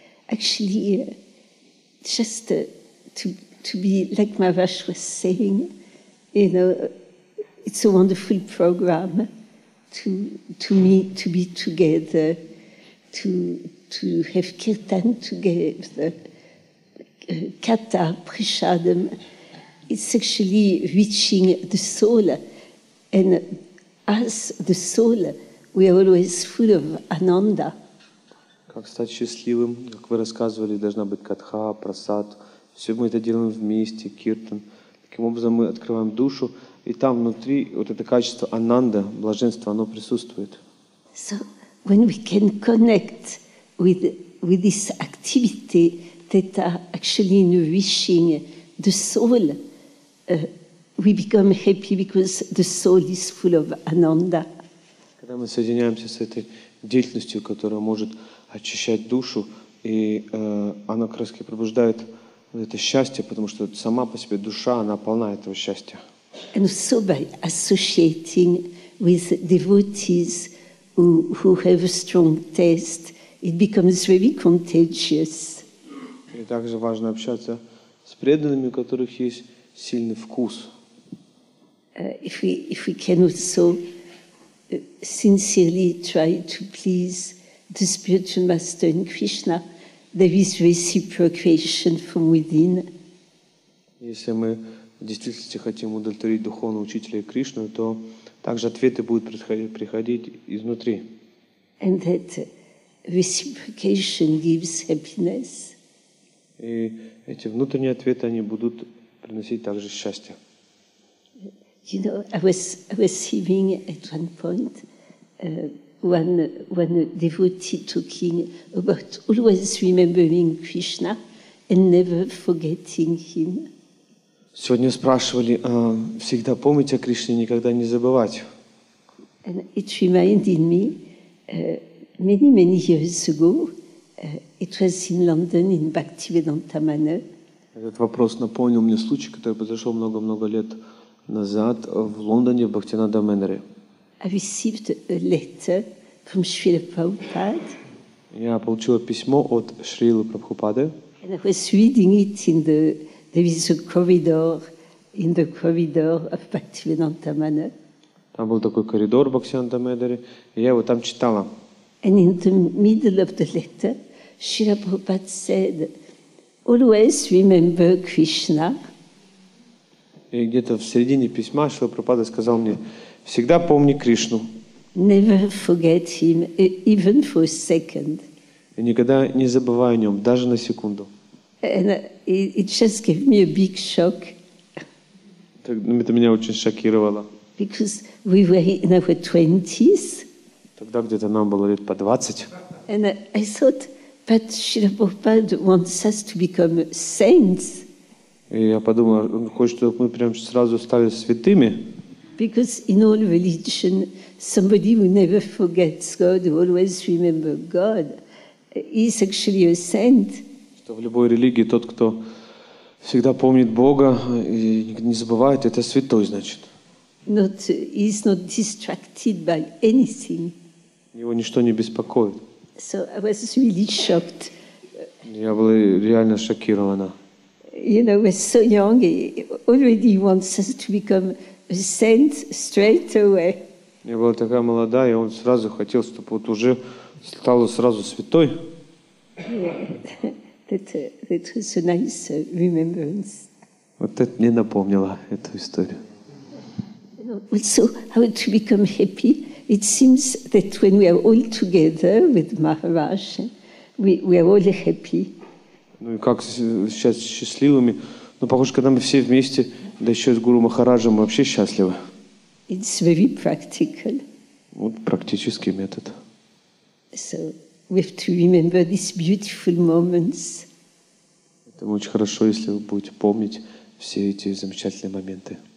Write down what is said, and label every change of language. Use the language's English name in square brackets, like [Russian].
[English] Actually, just to be like Maharaj was saying, you know, it's a wonderful program to me to be together, to have kirtan together. Kata, Prishadam, it's actually reaching the soul. And as the soul, we are always full of ananda. [Russian] Как стать счастливым, как вы рассказывали, должна быть катха, прасад. Все мы это делаем вместе, киртан. Таким образом мы открываем душу, и там внутри вот это качество ананда, блаженство, оно присутствует. [English] So when we can connect with this activity, that are actually nourishing the soul. We become happy because the soul is full of ananda. [Russian] Когда мы соединяемся с этой деятельностью, которая может очищать душу, и она краски пробуждает это счастье, потому что сама по себе душа, она полна этого счастья. [English] And so by associating with devotees who have a strong taste, it becomes very contagious. [Russian] И также важно общаться с преданными, у которых есть сильный вкус. [English] If we can also sincerely try to please the spiritual master in Krishna, there is reciprocation from within. [Russian] Если мы действительно хотим удовлетворить духовного учителя Кришну, то также ответы будут приходить изнутри. [English] And that reciprocation gives happiness. [Russian] И эти внутренние ответы, они будут приносить также счастье. [English] You know, I was hearing at one point one devotee talking about always remembering Krishna and never forgetting him. [Russian] Сегодня спрашивали, всегда помнить о Кришне, никогда не забывать. [English] And it reminded me many, many years ago. It was in London, in Bhaktivedanta Manor. [Russian] Этот вопрос напомнил мне случай, который произошел много-много лет назад в Лондоне, в Бхактивинода Мэннере. [English] I received a letter from Srila Prabhupada. [Russian] Я получил письмо от Шрилы Прабхупады. [English] And I was reading it in the... There is a corridor, in the corridor of Bhaktivedanta Manor. [Russian] Там был такой коридор в Бхактивинода Мэннере, и я его там читала. [English] And in the middle of the letter, Srila Prabhupada said, always remember Krishna. [Russian] И где-то в середине письма Шрила Прабхупада сказал мне, всегда помни Кришну. [English] Never forget him, even for a second. [Russian] И никогда не забывай о нем, даже на секунду. [English] And it just gave me a big shock. [Russian] Это меня очень шокировало. [English] Because we were in our 20s. [Russian] Тогда где-то нам было лет по 20. [English] And I thought, but Srila Prabhupada wants us to become saints. [Russian] И я подумал, он хочет, чтобы мы прям сразу стали святыми. [English] Because in all religion, somebody who never forgets God, who always remembers God, is actually a saint. [Russian] Что в любой религии тот, кто всегда помнит Бога и не забывает, это святой, значит. [English] Not, he's not distracted by anything. [Russian] Его ничто не беспокоит. [English] So I was really shocked. [Russian] Я была реально шокирована. [English] You know, we're so young, he already wants us to become a saint straight away. [Russian] Я была такая молодая, и он сразу хотел, чтобы вот уже стала сразу святой. [English] That was a nice remembrance. [Russian] Вот это мне напомнило эту историю. [English] Also, how to become happy? it seems that when we are all together with Maharaj, we are all happy. [Russian] Ну и как сейчас счастливыми? Ну похоже, когда мы все вместе, да еще с Гуру Махараджем, мы вообще счастливы. [English] It's very practical. [Russian] Вот практический метод. [English] So we have to remember these beautiful moments. [Russian] Это очень хорошо, если вы будете помнить все эти замечательные моменты.